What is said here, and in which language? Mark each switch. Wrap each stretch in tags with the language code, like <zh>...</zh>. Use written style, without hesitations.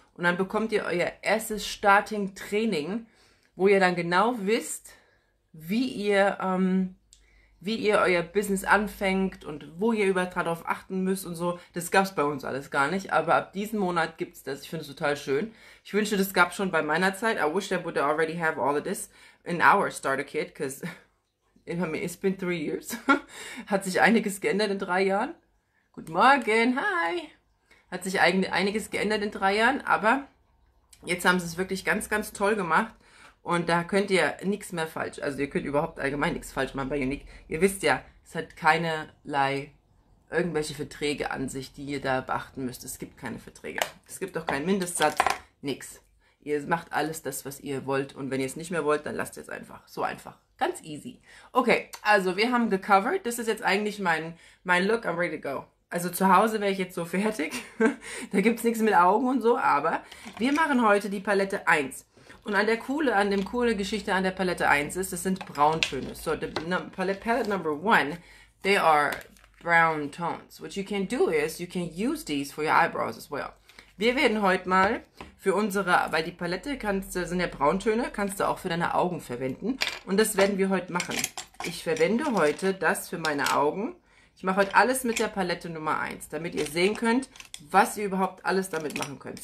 <de>Und dann bekommt ihr euer erstes Starting Training, wo ihr dann genau wisst, wie ihr euer Business anfängt und wo ihr überall drauf achten müsst und so. Das gab's bei uns alles gar nicht, aber ab diesem Monat gibt's das. Ich finde es total schön. Ich wünschte, das gab's schon bei meiner Zeit.</de> <en>I wish I would already have all of this in our starter kit, because it's been 3 years.</en> <de>Hat sich einiges geändert in 3 Jahren. Guten Morgen, hi! Hat sich einiges geändert in 3 Jahren, aber jetzt haben sie es wirklich ganz, ganz toll gemacht. Und da könnt ihr nichts mehr falsch, also ihr könnt überhaupt allgemein nichts falsch machen bei Unique. Ihr wisst ja, es hat keinerlei irgendwelche Verträge an sich, die ihr da beachten müsst. Es gibt keine Verträge. Es gibt auch keinen Mindestsatz, nichts. Ihr macht alles das, was ihr wollt. Und wenn ihr es nicht mehr wollt, dann lasst ihr es einfach. So einfach. Ganz easy. Okay, also wir haben gecovered. Das ist jetzt eigentlich mein Look.</de> <en>I'm ready to go.</en> <de>Also zu Hause wäre ich jetzt so fertig. Da gibt es nichts mit Augen und so. Aber wir machen heute die Palette 1. Und an dem coole Geschichte an der Palette 1 ist, das sind Brauntöne.</de> <en>So, the palette number 1, they are brown tones. What you can do is, you can use these for your eyebrows as well.</en> <de>Wir werden heute mal weil die Palette sind ja Brauntöne, kannst du auch für deine Augen verwenden. Und das werden wir heute machen. Ich verwende heute das für meine Augen. Ich mache heute alles mit der Palette Nummer 1, damit ihr sehen könnt, was ihr überhaupt alles damit machen könnt.</de>